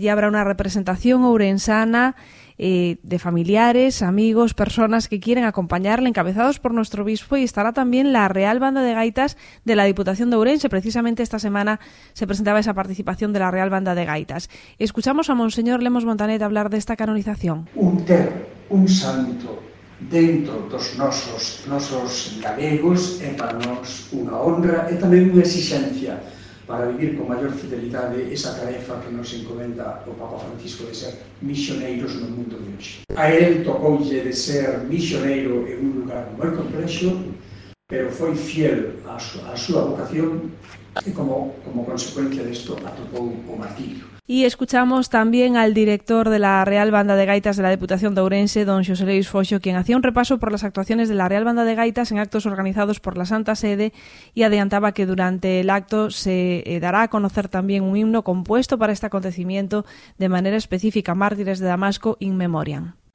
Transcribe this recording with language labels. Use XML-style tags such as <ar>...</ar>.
<es>Allí habrá una representación ourensana de familiares, amigos, personas que quieren acompañarle, encabezados por nuestro obispo, y estará también la Real Banda de Gaitas de la Diputación de Ourense. Precisamente esta semana se presentaba esa participación de la Real Banda de Gaitas. Escuchamos a Monseñor Lemos Montanet hablar de esta canonización.</es> <gl>Un santo dentro dos nosos galegos é para nos unha honra e tamén unha exixencia para vivir con maior fidelidade esa tarefa que nos encomenda o Papa Francisco de ser misioneiros no mundo de hoxe. A él tocoulle de ser misioneiro en un lugar moi complexo, pero foi fiel a súa vocación e como consecuencia disto atopou o martirio.</gl> <es>Y escuchamos también al director de la Real Banda de Gaitas de la Diputación de Ourense, don José Luis Foxo, quien hacía un repaso por las actuaciones de la Real Banda de Gaitas en actos organizados por la Santa Sede y adelantaba que durante el acto se dará a conocer también un himno compuesto para este acontecimiento de manera específica, Mártires de Damasco in Memoriam.</es>